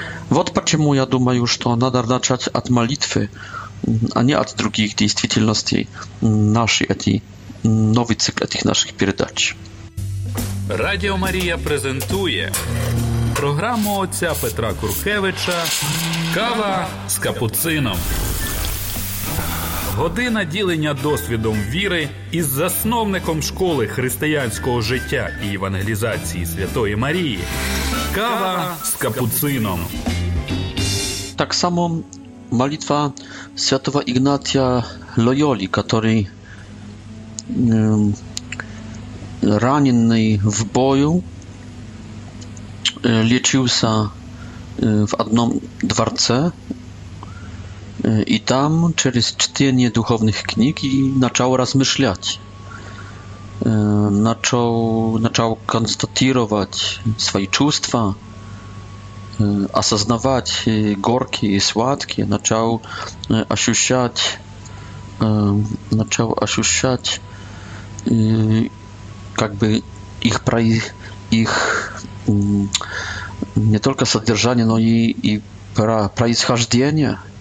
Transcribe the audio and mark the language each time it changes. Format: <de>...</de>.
<ru>Вот почему я думаю, что надо начать от молитвы, а не от других действительностей нашей, этой, новый цикл этих наших передач. Радио Мария презентует программу отца Петра Куркевича «Кава с капуцином».</ru> <uk>Година ділення досвідом віри із засновником школи християнського життя і евангелізації Святої Марії. Кава з капуцином. Так само молитва святого Ігнатія Лойолі, який ранений в бою, лечився в одному дворці.</uk> <ru>И там, через чтение духовных книг, и начал размышлять. Начал констатировать свои чувства, осознавать горькие и сладкие, начал ощущать как бы их не только содержание, но и происхождение.</ru>